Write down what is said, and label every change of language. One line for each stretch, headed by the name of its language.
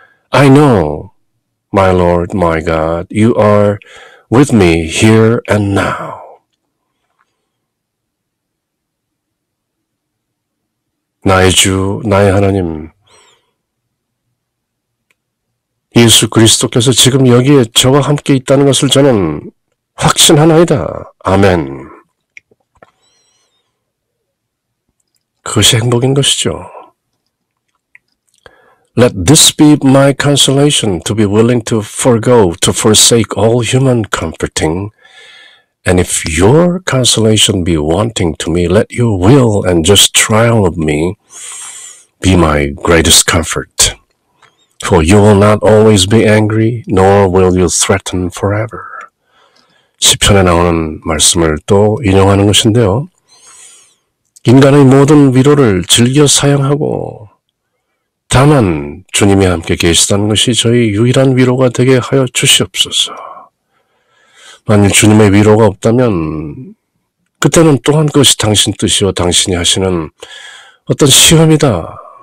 English: I know, my Lord, my God, you are with me here and now.
Korean: 나의 주, 나의 하나님, 예수 그리스도께서 지금 여기에 저와 함께 있다는 것을 저는 확신하나이다. 아멘. 그것이 행복인 것이죠.
English: Let this be my consolation, to be willing to forgo, to forsake all human comforting. And if your consolation be wanting to me, let your will and just trial of me be my greatest comfort. For you will not always be angry, nor will you threaten forever.
Korean: 시편에 나오는 말씀을 또 인용하는 것인데요. 인간의 모든 위로를 즐겨 사용하고 다만 주님이 함께 계시다는 것이 저희 유일한 위로가 되게 하여 주시옵소서. 만일 주님의 위로가 없다면 그때는 또한 그것이 당신 뜻이요 당신이 하시는 어떤 시험이다.